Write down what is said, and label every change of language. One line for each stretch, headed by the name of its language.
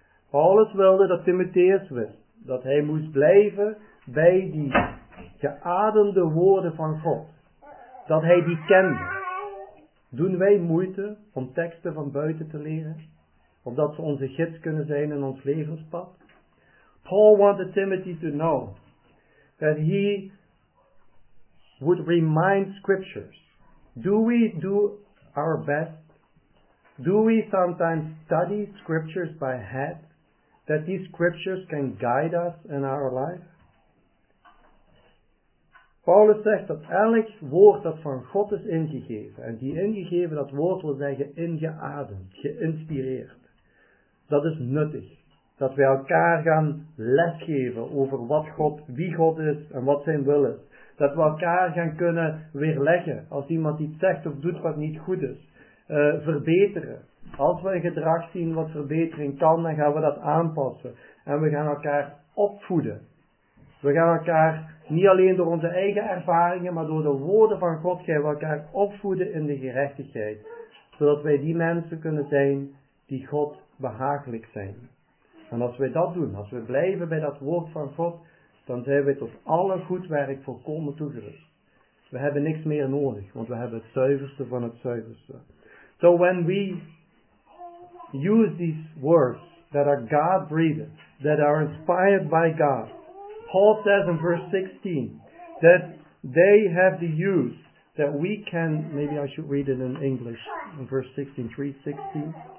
Dutch: Paulus wilde dat Timotheus wist dat hij moest blijven bij die geademde woorden van God, dat hij die kende. Doen wij moeite om teksten van buiten te leren, omdat ze onze gids kunnen zijn in ons levenspad?
English: Paul wanted Timothy to know that he would remind scriptures. Do we do our best? Do we sometimes study scriptures by head, that these scriptures can guide us in our life?
Dutch: Paulus zegt dat elk woord dat van God is ingegeven, en die ingegeven, dat woord wil zeggen ingeademd, geïnspireerd. Dat is nuttig. Dat wij elkaar gaan lesgeven over wat God, wie God is en wat zijn wil is. Dat we elkaar gaan kunnen weerleggen als iemand iets zegt of doet wat niet goed is. Verbeteren. Als we een gedrag zien wat verbetering kan, dan gaan we dat aanpassen. En we gaan elkaar opvoeden. We gaan elkaar niet alleen door onze eigen ervaringen, maar door de woorden van God gaan we elkaar opvoeden in de gerechtigheid. Zodat wij die mensen kunnen zijn die God behagelijk zijn. En als wij dat doen, als we blijven bij dat woord van God, dan zijn wij tot alle goed werk volkomen toegerust. We hebben niks meer nodig, want we hebben het zuiverste van het zuiverste.
English: So when we use these words that are God-breathed, that are inspired by God, Paul says in verse 16 that they have the use that we can, maybe I should read it in English, in verse 16, 3:16.